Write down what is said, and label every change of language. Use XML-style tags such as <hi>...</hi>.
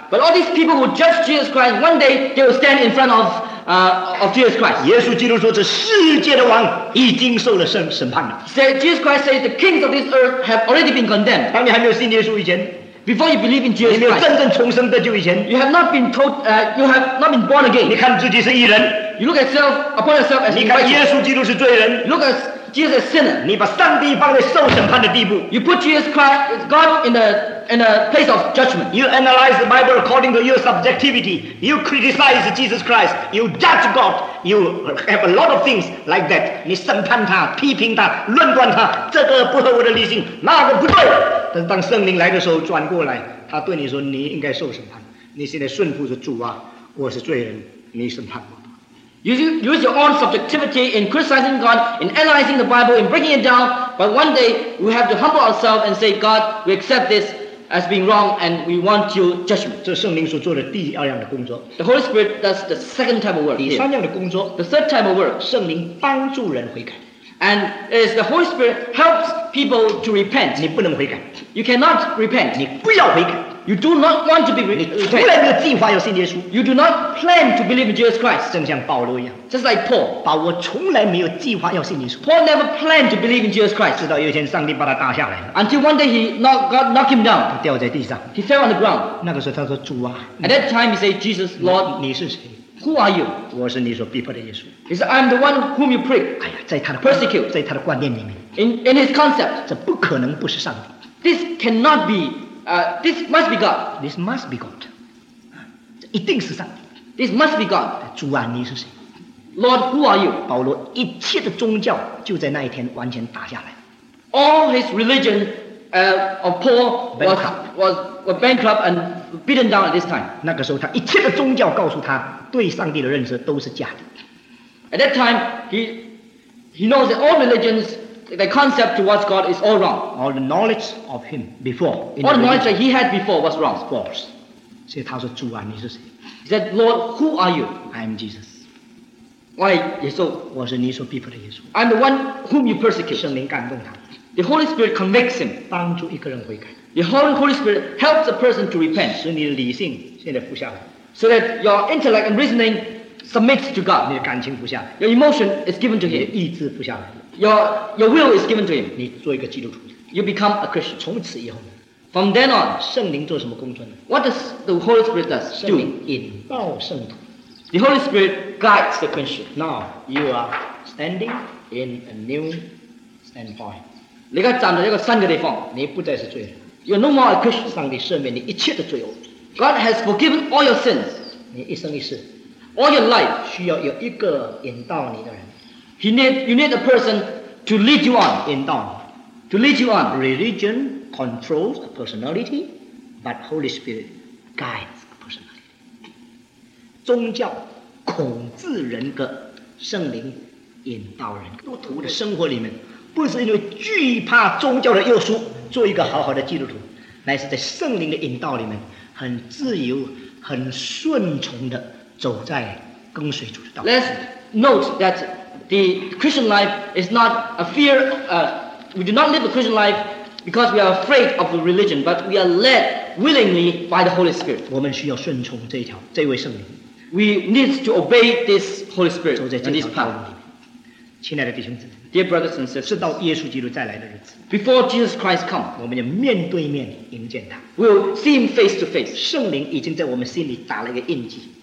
<en>But all these people who judge Jesus Christ, one day they will stand in front of Jesus Christ.</en> <zh>耶稣基督说这世界的王已经受了审判了.</zh> <en>So Jesus Christ says the kings of this earth have already been condemned.</en> <zh>当你还没有信耶稣以前,</zh> <en>before you believe in Jesus Christ,</en> <zh>你没有真正重生的就以前,</zh> <en>you have not been told, you have not been born again.</en> <zh>你看自己是义人,</zh> <en>you look at yourself, upon yourself as righteous.</en> <zh>你看耶稣基督是罪人,</zh> <en>you look at Jesus as sinner.</en> <zh>你把上帝放在受审判的地步,</zh> <en>you put Jesus Christ, God in a place of judgment. You analyze the Bible according to your subjectivity. You criticize Jesus Christ. You judge God. You have a lot of things like that.</en> <zh>你审判他, 批评他, 论断他, 这个不合我的理性, 那个不对。但是当圣灵来的时候转过来, 他对你说, 你应该受审判, 你现在顺服着主啊, 我是罪人, 你审判我。</zh> <en>You use your own subjectivity in criticizing God, in analyzing the Bible, in breaking it down, but one day we have to humble ourselves and say, God, we accept this as being wrong and we want your judgment.</en> <zh>这是圣灵所做的第二样的工作.</zh> <en>The Holy Spirit does the second type of work.</en> <zh>第三样的工作,</zh> <en>the third type of work.</en> <zh>圣灵帮助人悔改.</zh> <en>And as the Holy Spirit helps people to repent.</en> <zh>你不能悔改.</zh> <en>You cannot repent.</en> <zh>你不要悔改.</zh> <en>You do not want to be repent. You do not plan to believe in Jesus Christ. Just like Paul.</en> <zh>保罗从来没有计划要信耶稣.</zh> <en>Paul never planned to believe in Jesus Christ.</en> <zh>直到有一天上帝把他打下来,</zh> <en>until one day God knocked him down.</en> <zh>他掉在地上.</zh> <en>He fell on the ground.</en> <zh>那个时候他说主啊,</zh> <en>at that time he said, Jesus, Lord,</en> <zh>你是谁?</zh> <en>Who are you?</en> <zh>我是你所逼迫的耶稣.</zh> <en>He said, I am the one whom you prick.</en> <zh>哎呀, 在他的,</zh> <en>persecute.</en> <zh>在他的观念里面.</zh> <en>In his concept.</en> <zh>这不可能不是上帝.</zh> <en>This cannot be. This must be God. This must be God.</en> <zh>这一定是上帝.</zh> <en>This must be God.</en> <zh>主啊, 你是谁?</zh> <en>Lord, who are you?</en> <zh>保罗一切的宗教就在那一天完全打下来.</zh> <en>All his religion of Paul was bankrupt and beaten down at this time.</en> <zh>那个时候他一切的宗教告诉他对上帝的认识都是假的.</zh> <en>At that time, he knows that all religions, the concept towards God is all wrong. All the knowledge of him before. All the knowledge that he had before was wrong.</en> <zh>False. 所以他说主啊, 你是谁?</zh> <en>He said, Lord, who are you? I am Jesus. Why, 耶稣?</en> <zh>我是你所逼迫的耶稣.</zh> <en>I am the one whom you persecute.</en> <zh>圣灵感动他.</zh> <en>The Holy Spirit convicts him.</en> <zh>帮助一个人悔改.</zh> <en>The Holy Spirit helps a person to repent.</en> <zh>使你的理性现在服下来.</zh> <en>So that your intellect and reasoning submits to God.</en> <zh>你的感情服下来.</zh> <en>Your emotion is given to him.</en> <zh>你的意志服下来.</zh> <en>Your will is given to him.</en> <zh>你做一个基督徒.</zh> <en>You become a Christian.</en> <zh>从此以后,</zh> <en>from then on,</en> <zh>圣灵做什么工作呢?</zh> <en>What does the Holy Spirit does?</en> <zh>圣灵引爆圣徒.</zh> <en>The Holy Spirit guides the question. Now, you are standing in a new standpoint.</en> <zh>你该站在一个新的地方, 你不再是罪人,</zh> <en>you're no more a Christian.</en> <zh>上帝赦免你一切的罪恶,</zh> <en>God has forgiven all your sins.</en> <zh>你一生一世,</zh> <en>all your life.</en> <zh>需要有一个引导你的人,</zh> <en>you need a person to lead you on.</en> <zh>引导,</zh> <en>to lead you on. Religion controls a personality, but Holy Spirit guides a personality.</en> <zh>宗教控制人格, 圣灵引导人, 基督徒的生活里面, 不是因为惧怕宗教的约束做一个好好的基督徒，乃是在圣灵的引导里面，很自由、很顺从的走在跟随主的道路。</zh> <en>Let's note that the Christian life is not a fear. We do not live the Christian life because we are afraid of the religion, but we are led willingly by the Holy Spirit.</en> <zh>我们需要顺从这一条，这位圣灵。</zh> <en>We need to obey this Holy Spirit in this path.</en> <zh>亲爱的弟兄姊妹。</zh> <en>Dear brothers and sisters,</en> <zh>是到耶稣基督再来的日子,</zh> <en>before Jesus Christ comes,</en> <zh>我们要面对面迎接他,</zh> <en>we'll see him face to face.</en> <zh>圣灵已经在我们心里打了一个印记,</zh>